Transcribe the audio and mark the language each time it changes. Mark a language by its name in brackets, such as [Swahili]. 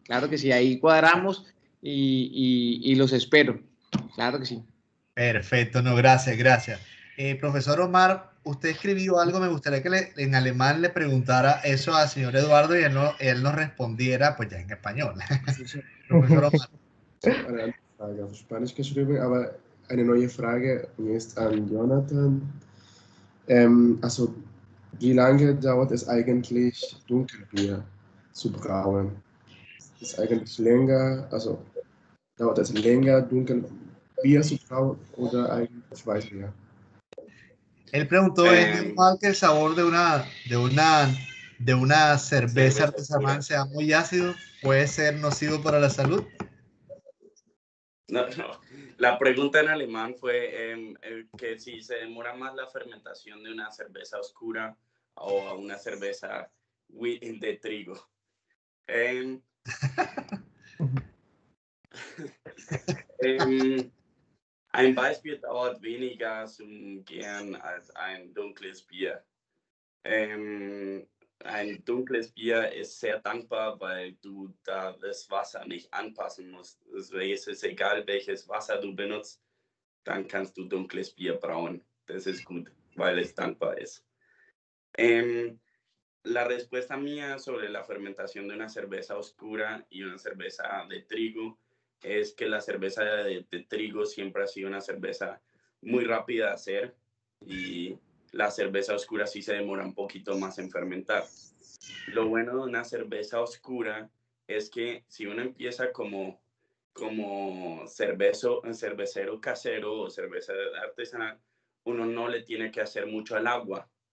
[Spanish] Claro que sí, ahí cuadramos y los espero. Claro que sí. Perfecto, no, gracias, gracias. Profesor Omar, usted escribió algo, me gustaría que en alemán le preguntara eso al señor Eduardo y él nos respondiera, pues ya en español. Sí, sí. Profesor Omar. [German] Aber eine neue Frage ist an Jonathan. Also, wie lange dauert es eigentlich, Dunkelbier zu brauen? Ist eigentlich länger, also dauert es länger, Dunkelbier zu brauen oder eigentlich Weißbier? [Spanish] Él preguntó, ¿es normal que el sabor de una cerveza artesanal sea muy ácido? ¿Puede ser nocivo para la salud? No. La pregunta en alemán fue que si se demora más la fermentación de una cerveza oscura o a una cerveza de trigo. [German] Ein Weißbier dauert weniger als ein Gern als ein dunkles Bier. Ein dunkles Bier ist sehr dankbar, weil du da das Wasser nicht anpassen musst. Es ist egal, welches Wasser du benutzt, dann kannst du dunkles Bier brauen. Das ist gut, weil es dankbar ist. [Spanish] La respuesta mía sobre la fermentación de una cerveza oscura y una cerveza de trigo es que la cerveza de trigo siempre ha sido una cerveza muy rápida de hacer y la cerveza oscura sí se demora un poquito más en fermentar. Lo bueno de una cerveza oscura es que si uno empieza como cervezo, cervecero casero o cerveza artesanal, uno no le tiene que hacer mucho al agua.